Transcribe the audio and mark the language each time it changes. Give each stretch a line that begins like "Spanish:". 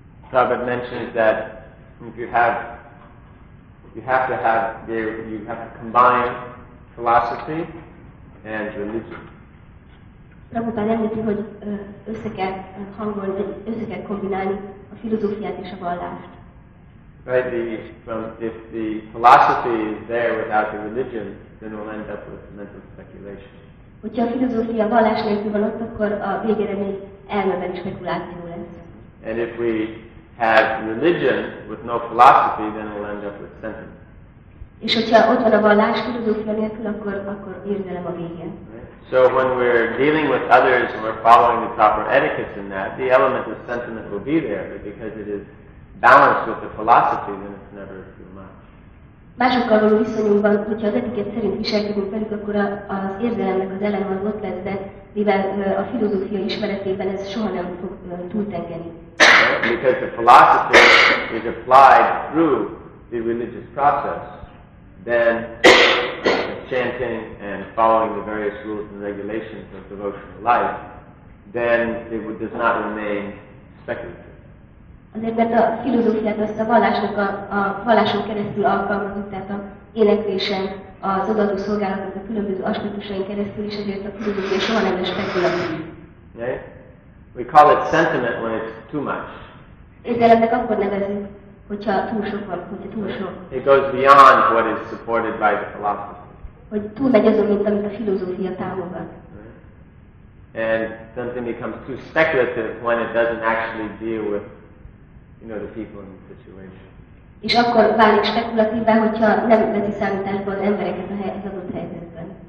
English: Prabhupada mentions that you have to combine philosophy and religion.
Hungarian: Prabhupada említi, hogy össze kell hangolni, hogy össze kell kombinálni a filozófiát és a vallást.
English: Right, if the philosophy is there without the religion, then we'll end up with mental speculation.
Hungarian: Hogyha a filozófia a vallás nélkül van ott, akkor a végére még elmebeni spekuláció lesz.
English: And if we have religion with no philosophy, then we'll end up with sentiments.
Hungarian: És hogyha ott van a vallás filozófia nélkül, akkor érzelem a végén.
English: So when we're dealing with others and we're following the proper etiquette in that, the element of sentiment will be there, but because it is balanced with the philosophy, then it's never too much.
Hungarian: Másokkal való viszonyunkban, hogyha az etikett szerint viselkedünk velük, akkor az érzelemnek az eleme az ott lesz, de mivel a filozófia ismeretében ez soha nem fog túltengeni.
English: Because the philosophy is applied through the religious process, then the chanting and following the various rules and regulations of devotional life, then it does not remain speculative.
Hungarian: Azért, mert a filozófiát azt a vallásnak a valláson keresztül alkalmazott, tehát az éneklésen, az odaadó szolgálatnak a különböző aspektusain keresztül is, ezért a filozófia soha nem lesz spekulatív.
English: We call it sentiment when it's too much.
Hungarian: Érzelemnek akkor nevezünk, hogyha túl sok van, hogyha túl sok.
English: It goes beyond what is supported by the philosophy.
Hungarian: Hogy túlmegy azon, mint amit a filozófia támogat.
English: And something becomes too speculative when it doesn't actually deal with, you know, the people in the situation.
Hungarian: És akkor válik spekulatívvá, hogyha nem veszi számításba az embereket az adott helyzetben.